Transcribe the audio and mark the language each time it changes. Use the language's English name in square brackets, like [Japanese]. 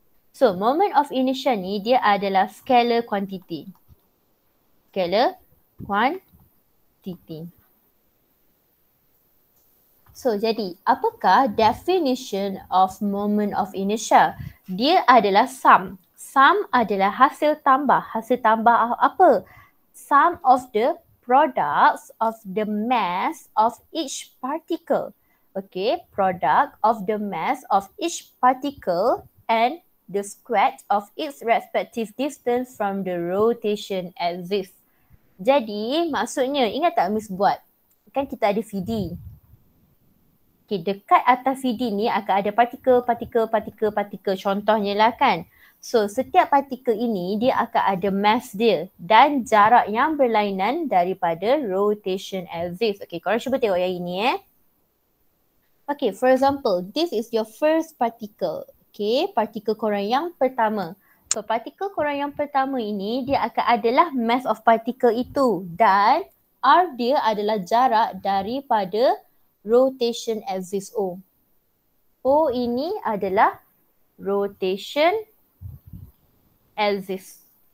[English] So, moment of inertia [Malay] ni dia adalah [English] scalar quantity. Scalar quantity. So, [Malay] jadi apakah [English] definition of moment of inertia? [Malay] Dia adalah sum. Sum adalah hasil tambah. Hasil tambah apa? [English] Sum of the products of the mass of each particle. Okay, product of the mass of each particle and the square of its respective distance from the rotation axis. [Malay] Jadi maksudnya ingat tak Miss buat? Kan kita ada VD. Okay, dekat atas VD ni akan ada partikel, partikel, partikel, partikel. Contohnya lah kan. So setiap partikel ini dia akan ada mass dia dan jarak yang berlainan daripada rotation axis. Okay, korang cuba tengok yang ini eh. [English] Okay, for example, this is your first particle. [Malay] Okay, partikel korang yang pertama. So, partikel korang yang pertama ini dia akan adalah [English] mass of particle [Malay] itu dan R dia adalah jarak daripada rotation axis O. O ini adalah rotation axis.